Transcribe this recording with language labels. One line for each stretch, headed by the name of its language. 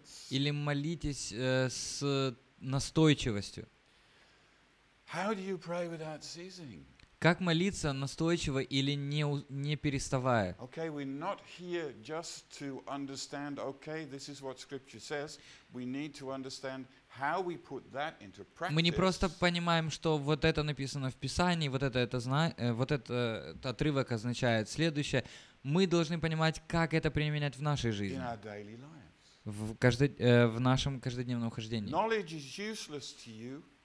Russian: Или молитесь с настойчивостью.
English: How do you pray without ceasing?
Russian: Как молиться настойчиво или не переставая?
English: Okay, we're not here just to understand. Okay, this is what Scripture says. We need to understand how we put that into practice.
Russian: Мы не просто понимаем, что вот это написано в Писании, вот этот отрывок означает следующее. Мы должны понимать, как это применять в нашей жизни.
English: In our daily lives.
Russian: В нашем каждодневном хождении.
English: Knowledge is useless to you.